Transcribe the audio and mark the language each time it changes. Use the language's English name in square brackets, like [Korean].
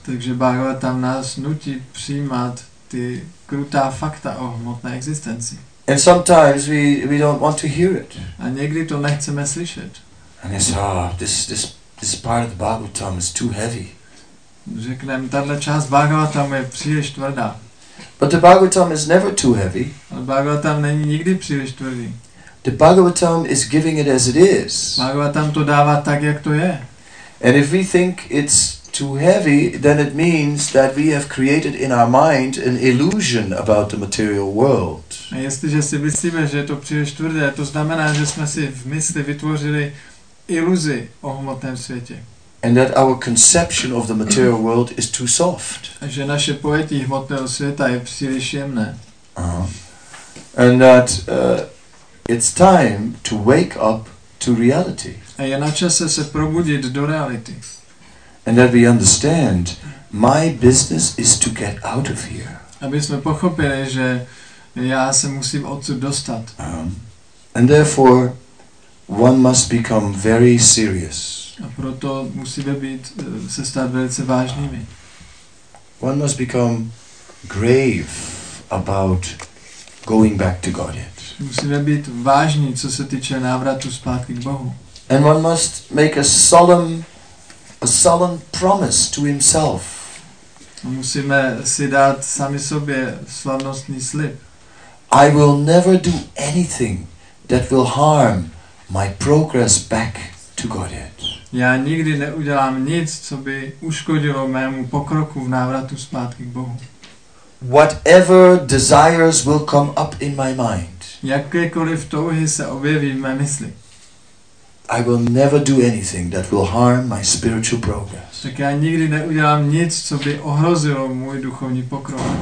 [Czech] Takže Bhagavatam nás nutí přijímat ty krutá fakta o hmotné existenci. [English] And sometimes we don't want to hear it. [Czech] A někdy to nechceme slyšet. [English] And it's this part of the Bhagavatam is too heavy. [Czech] Řekneme, tahle část Bhagavatam je příliš tvrdá. [English] But the Bhagavatam is never too heavy. [Czech] Ale Bhagavatam není nikdy příliš tvrdý. [English] The Bhagavatam is giving it as it is. [Czech] Bhagavatam to dává tak, jak to je. [English] And if we think it's too heavy, then it means that we have created in our mind an illusion about the material world. [Czech] A jestliže si myslíme, že je to příliš tvrdé, to znamená, že jsme si v mysli vytvořili iluzi o hmotném světě. [English] And that our conception of the material world is too soft. [Czech] A že naše pojetí hmotného světa je příliš jemné. [English] And that it's time to wake up to reality. [Czech] A je na čase se probudit do reality. [English] And that we understand, my business is to get out of here. [Czech] Aby jsme pochopili, že já se musím odsud dostat. [English] And therefore, one must become very serious. [Czech] A proto musíme se stát velice vážnými. [English] One must become grave about going back to Godhead. [Czech] Musíme být vážní, co se týče návratu zpátky k Bohu. [English] And one must make a solemn promise to himself. [Czech] Musíme si dát sami sobě slavnostní slib. [English] I will never do anything that will harm my progress back to Godhead. [Czech] Já nikdy neudělám nic, co by uškodilo mému pokroku v návratu zpátky k Bohu. [English] Whatever desires will come up in my mind. [Czech] Jakékoliv touhy se objeví v mé mysli. [English] I will never do anything that will harm my spiritual progress. [Czech] Tak já nikdy neudělám nic, co by ohrozilo můj duchovní pokrok.